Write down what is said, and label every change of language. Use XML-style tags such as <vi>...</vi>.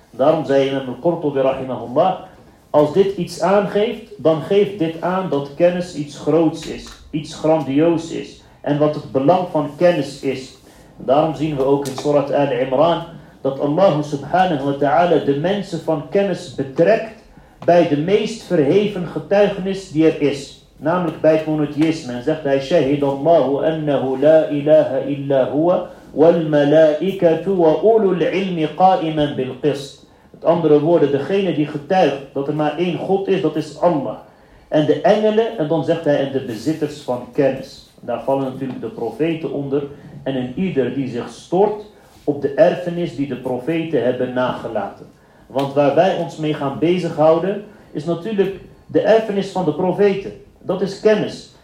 <nl>Daarom zei Imam al-Qurtubi rahimahullah, als dit iets aangeeft, dan geeft dit aan dat kennis iets groots is, iets grandioos is. En wat het belang van kennis is. Daarom zien we ook in Surat Al-Imran dat Allah subhanahu wa ta'ala de mensen van kennis betrekt bij de meest verheven getuigenis die er is. Namelijk bij het monotheïsme.</nl> <ar>En zegt hij, شهد الله أنه لا إله إلا هو والملائكة وأولو العلم قائما بالقسط.</ar> <nl>Met andere woorden, degene die getuigt dat er maar één God is, dat is Allah. En de engelen, en dan zegt hij, en de bezitters van kennis. Daar vallen natuurlijk de profeten onder. En een ieder die zich stort op de erfenis die de profeten hebben nagelaten. Want waar wij ons mee gaan bezighouden is natuurlijk de erfenis van de profeten. Dat is kennis.</nl>